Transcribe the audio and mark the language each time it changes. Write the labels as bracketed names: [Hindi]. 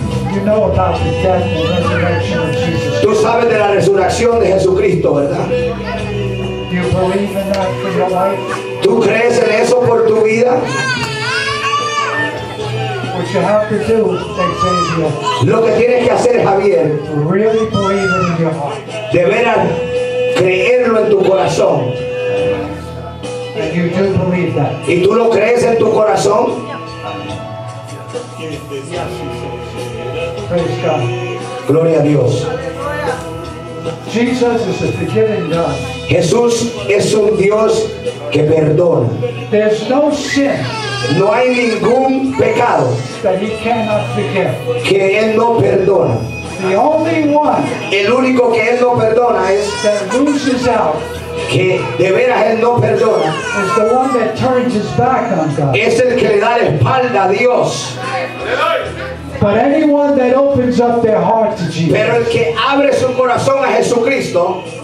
[English] You know about the death and resurrection of Jesus. [Spanish] ¿Tú sabes de la resurrección de Jesucristo, verdad? [English] Do you believe in that for your life? [Spanish] ¿Tú crees en eso por tu vida? [English] What you have to do, Xavier, [Spanish] lo que tienes que hacer, Javier, [English] really believe it in your heart. [Spanish] De veras creerlo en tu corazón. [English] And you do believe that. [Spanish] ¿Y tú lo crees en tu corazón? [English] Praise God. [Spanish] Gloria a Dios. [English] Jesus is a forgiving God. [Spanish] Jesús es un Dios que perdona. [English] There's no sin. [Spanish] No hay ningún pecado [English] that he cannot forgive. [Spanish] Que él no perdona. [English] The only one. [Spanish] El único que él no perdona es [English] that loses out. [Spanish] Que de veras él no perdona. [English] Is the one that turns his back on God. [Spanish] Es el que le da la espalda a Dios. [English] But anyone that opens up their heart to Jesus. [Spanish] Pero el que abre su corazón a Jesucristo.